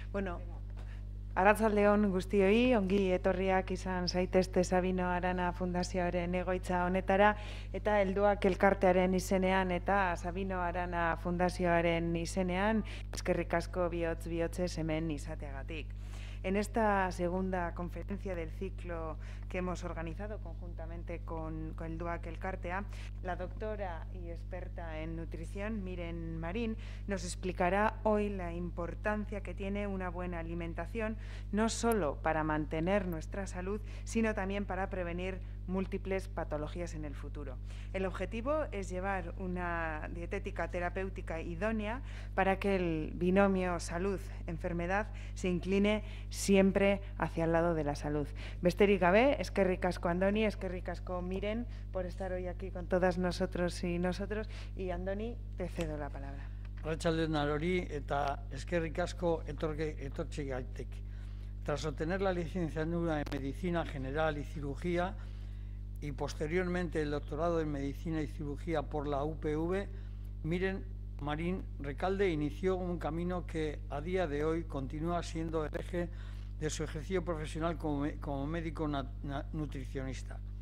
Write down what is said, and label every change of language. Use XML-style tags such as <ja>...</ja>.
<eu>Bueno, arratsaldeon guztioi, ongi etorriak izan zaitezte Sabino Arana Fundazioaren egoitza honetara, eta helduak elkartearen izenean, eta Sabino Arana Fundazioaren izenean, eskerrik asko bihotz bihotzez hemen izateagatik.</eu> <es>En esta segunda conferencia del ciclo que hemos organizado conjuntamente con el DUAC Elkartea, la doctora y experta en nutrición, Miren Marín, nos explicará hoy la importancia que tiene una buena alimentación, no solo para mantener nuestra salud, sino también para prevenir múltiples patologías en el futuro. El objetivo es llevar una dietética terapéutica idónea para que el binomio salud-enfermedad se incline siempre hacia el lado de la salud.</es> <eu>Besterik gabe, eskerrik asko Andoni, eskerrik asko Miren,</eu> <es>por estar hoy aquí con todas nosotros y nosotros. Y Andoni, te cedo la palabra.</es> <eu>Arratsaldeon alori eta eskerrik asko etortxe gaitek.</eu> <es>Tras obtener la licenciatura en medicina general y cirugía, y posteriormente el doctorado en Medicina y Cirugía por la UPV, Miren Marín Recalde inició un camino que a día de hoy continúa siendo el eje de su ejercicio profesional como médico nutricionista.</es>